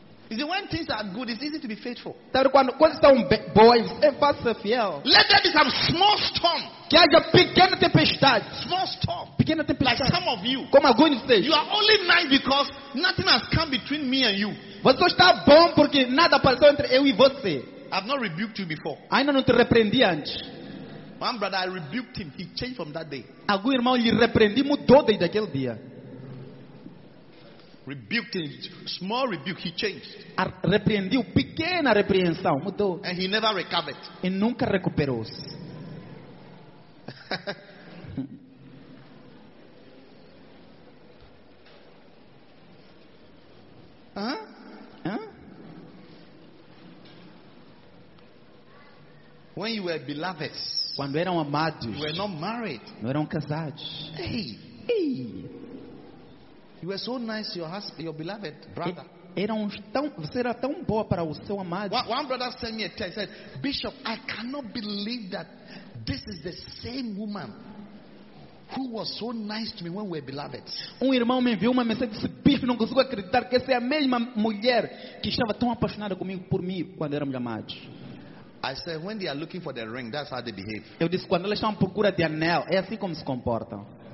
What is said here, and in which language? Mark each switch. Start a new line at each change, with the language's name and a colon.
English: Is it when things are good, it's easy to be faithful.
Portuguese: Quando coisas estão boas, é fácil ser fiel.
English: Let there be some small storm.
Portuguese: Que haja pequena tempestade.
English: Small storm.
Portuguese: Pequena tempestade.
English: Like some of you.
Portuguese: Como alguns de vocês.
English: You are only nice because nothing has come between me and you.
Portuguese: Você só está bom porque nada passou entre eu e você.
English: I've not rebuked you before.
Portuguese: Ainda não te repreendi antes.
English: One brother, I rebuked him. He changed from that day.
Portuguese: Algum irmão lhe repreendi, mudou desde aquele dia.
English: Rebuked him. Small rebuke, he changed.
Portuguese: Repreendiu, pequena repreensão, mudou.
English: And he never recovered.
Portuguese: E nunca recuperou-se.
English: When you were beloveds,
Portuguese: quando eram amados,
English: you were not married,
Portuguese: não eram casados.
English: Hey, you were so nice to your husband, your beloved brother.
Portuguese: Você era tão boa para o seu amado.
English: One brother sent me a text. Said, "Bishop, I cannot believe that this is the same woman who was so nice to me when we were beloved."
Portuguese: Irmão me enviou uma mensagem e disse, "Bishop, não consigo acreditar que essa é a mesma mulher que estava tão apaixonada comigo por mim quando éramos amados."
English: I said, when they are looking for the ring, that's how they behave.
Portuguese: Eu disse, quando eles estão à procura de anel, é assim como se comportam.